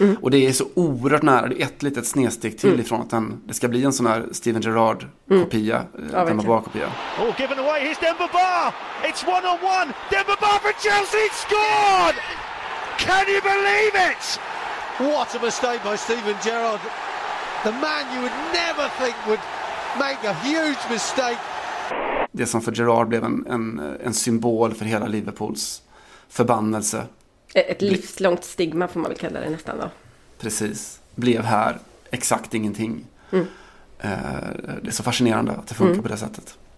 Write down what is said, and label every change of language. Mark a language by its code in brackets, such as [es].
[sv] Och det är så oerhört nära, det är ett litet snedsteg till ifrån att det ska bli en sån här Steven Gerrard-kopia, Dembaba-kopia. [en] Oh, given away, here's Dembaba! It's 1-on-1! Dembaba for Chelsea, it's scored! Can you believe it? What a mistake by Steven Gerrard. The man you would never think would make a huge mistake. [sv] Det som för Gerard blev en symbol för hela Liverpools förbannelse. Ett livslångt stigma får man väl kalla det nästan då. Precis. Blev här exakt ingenting. Det är så fascinerande att det funkar på det sättet.